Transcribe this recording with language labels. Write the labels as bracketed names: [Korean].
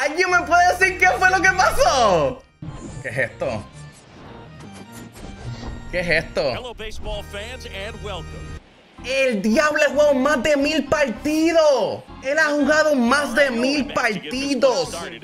[Spanish] ¿Alguien me puede decir qué fue lo que pasó? ¿Qué es esto? [English] Hello, baseball fans, and welcome. [Spanish] ¡El diablo ha jugado más de 1,000 partidos! ¡Él ha jugado más de 1,000 partidos!